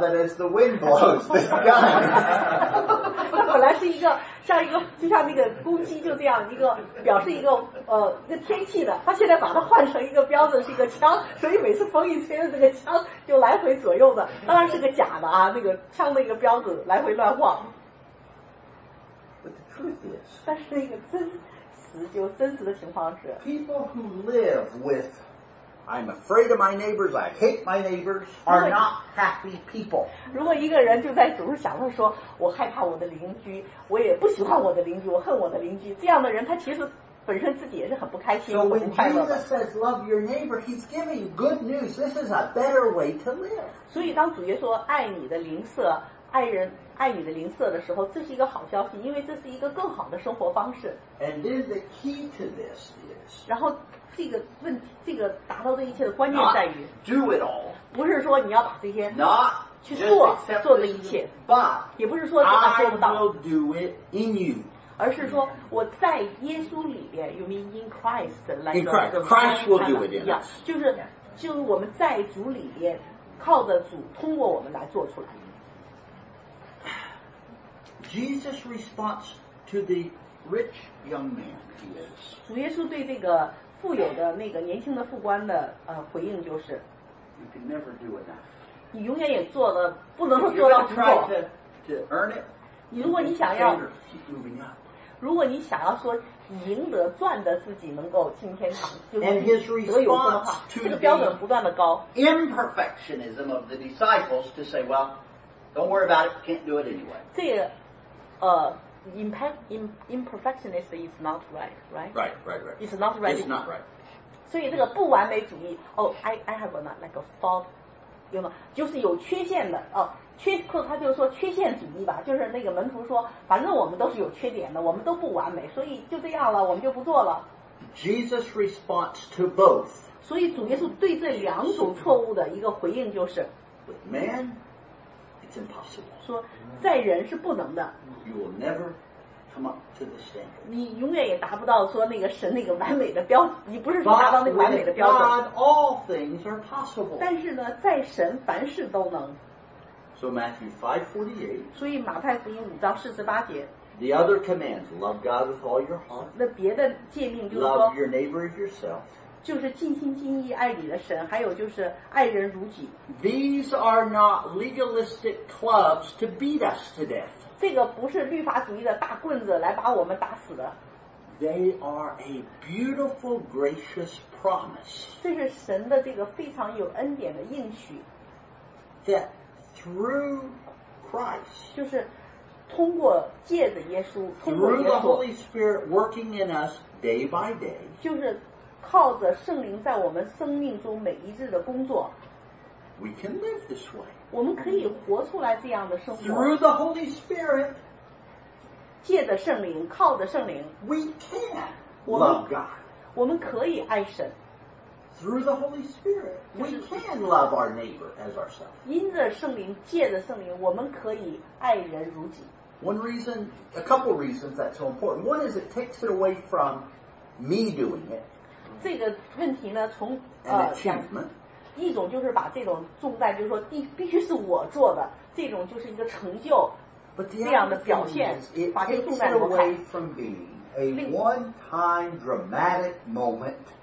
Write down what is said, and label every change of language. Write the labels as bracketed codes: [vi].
[en] So that as the wind blows, this gun. [zh] 他本来是一个像一个就像那个公鸡就这样一个表示一个一个天气的，他现在把它换成一个标准是一个枪，所以每次风一吹，那个枪就来回左右的，当然是个假的啊，那个枪的一个标准来回乱晃。 [en] But the truth is. [zh] 但是那个真。就真实的情况是 [en] People who live with I'm afraid of my neighbors, I hate my neighbors are not happy people. [zh] 如果一个人就在总是想着说我害怕我的邻居，我也不喜欢我的邻居，我恨我的邻居，这样的人他其实本身自己也是很不开心。 [en] So when Jesus says love your neighbor, he's giving good news. This is a better way to live. [zh] 所以当主耶稣说爱你的邻舍，爱人爱你的邻舍的时候，这是一个好消息，因为这是一个更好的生活方式。 [en] And then the key to this is, [zh] 然后这个问题，这个达到这一切的关键在于 [en] not do it all, [zh] 不是说你要把这些 [en] not [zh] 去做做的一切 [en] but [zh] 也不是说做不到 [en] I will do it in you, [zh] 而是说我在耶稣里面 [en] you mean in Christ, like in Christ, Christ will do it in us, [zh] yeah, 就是我们在主里面靠着主通过我们来做出来。 [en] Jesus' response to the rich young man is. [zh] 主耶稣对这个富有的那个年轻的副官的回应就是 [en] You can never do enough. [zh] 你永远也做了，不能够做到足够。 [en] To earn it. [zh] 你如果你想要，如果你想要说赢得赚的自己能够进天堂，就是得有的话，这个标准不断的高。 [en] Imperfectionism of the disciples to say, well, don't worry about it, can't do it anyway. [zh] 这个 [en] imperfectionist is not right, right? Right, right, right. It's not right. It's not right. [zh] 所以这个不完美主义 ， [en] oh, I have a like a fault, you know, [zh] 就是有缺陷的哦，缺，他就说缺陷主义吧，就是那个门徒说，反正我们都是有缺点的，我们都不完美，所以就这样了，我们就不做了。 [en] Jesus' response to both. [zh] 所以主耶稣对这两种错误的一个回应就是 [en] ，With man, it's impossible. [zh] 说在人是不能的。 [en] You will never come up to the standard. [zh] 你永远也达不到说那个神那个完美的标准，你不是说达到那个完美的标准。 [en] But with God, all things are possible. [zh] 但是呢，在神凡事都能。 [en] So Matthew 5:48. [zh] 所以马太福音五章四十八节。 [en] The other commands, love God with all your heart. [zh] 那别的诫命就是说。 [en] Love your neighbor as yourself. [zh] 就是尽心尽意爱你的神，还有就是爱人如己。 [en] These are not legalistic clubs to beat us to death. [zh] 这个不是律法主义的大棍子来把我们打死的。 [en] They are a beautiful, gracious promise. [zh] 这是神的这个非常有恩典的应许。 [en] That through Christ, [zh] 就是通过借着耶稣， [en] through the Holy Spirit working in us day by day, [zh] 就是靠着圣灵在我们生命中每一日的工作。 [en] We can live this way. [zh] 我们可以活出来这样的生活。 [en] Through the Holy Spirit, [zh] 借着圣灵，靠着圣灵。 [en] We can love God. [zh] 我们可以爱神。 [en] Through the Holy Spirit, we can love our neighbor as ourselves. [zh] 因着圣灵，借着圣灵，我们可以爱人如己。 [en] One reason, a couple reasons that's so important. One is it takes it away from me doing it. [zh] 这个问题呢，从 [en] achievement. [zh] 一种就是把这种重担，就是说必须是我做的，这种就是一个成就这样的表现，把这个重担挪开。 [en] From being a one-time dramatic moment.